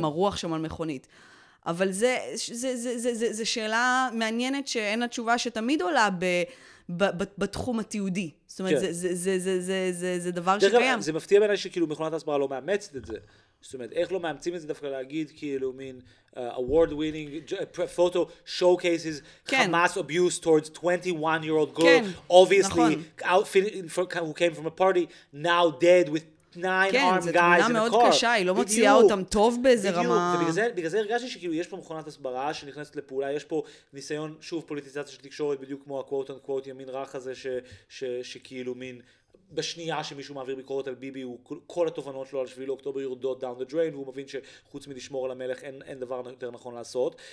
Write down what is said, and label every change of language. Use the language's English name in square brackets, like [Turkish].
[Hebrew] מרוח שם על מכונית. אבל זה שאלה מעניינת שאין התשובה שתמיד עולה בתחום התיעודי. זאת אומרת, כן. זה דבר שקיים. זה מפתיע בעיניי שכאילו מכונת הסברה לא מאמצת את זה. זאת אומרת, איך לא מאמצים את זה דווקא להגיד כאילו מין [English] award winning photo showcases [Hebrew] כן. [English] Hamas abuse towards 21-year-old girl [Hebrew] כן. [English] obviously [Hebrew] נכון. [English] who came from a party now dead with 9 [Hebrew] כן, [English] armed guys in the car. [Hebrew] כן, זו תמונה מאוד קשה, היא לא מוציאה אותם טוב באיזה בדיוק. רמה. ובגלל זה הרגשתי שכאילו יש פה מכונת הסברה שנכנסת לפעולה, יש פה ניסיון שוב פוליטיזציה של תקשורת בדיוק כמו ה- [English] quote on quote [Hebrew] ימין רך הזה שכאילו מין בשנייה שמישהו מעביר ביקורת על ביבי, כל התובנות שלו על 7 לאוקטובר יורדות [English] down the drain, [Hebrew] והוא מבין שחוץ מלשמור על המלך אין דבר יותר נכון לעשות.